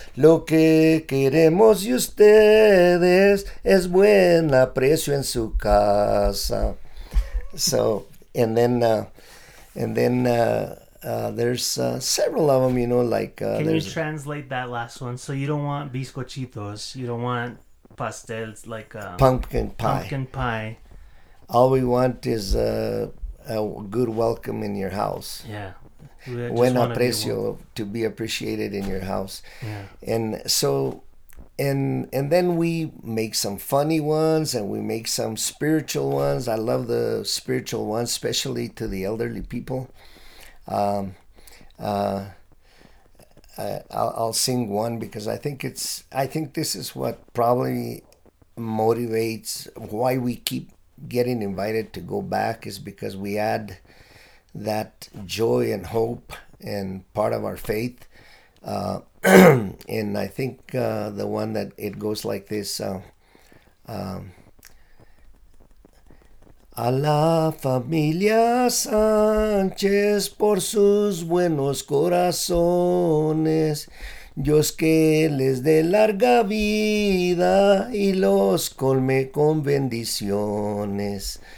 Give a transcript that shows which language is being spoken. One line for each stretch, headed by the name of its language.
Spanish: Lo que queremos y ustedes es buen aprecio en su casa.
English: So, there's several of them, you know, like... Can you translate that last one? So you don't want bizcochitos, you don't want pastels, like... Pumpkin pie. All we want is a good welcome in your house. Yeah.
Spanish: Buen aprecio,
English: to be appreciated in your house. Yeah. And so, and then we make some funny ones, and we make some spiritual ones. I love the spiritual ones, especially to the elderly people. I'll sing one, because I think this is what probably motivates why we keep getting invited to go back, is because we add that joy and hope and part of our faith. And I think the one that it goes like this.
Spanish: A la familia Sánchez por sus buenos corazones, Dios que les dé larga vida y los colme con bendiciones.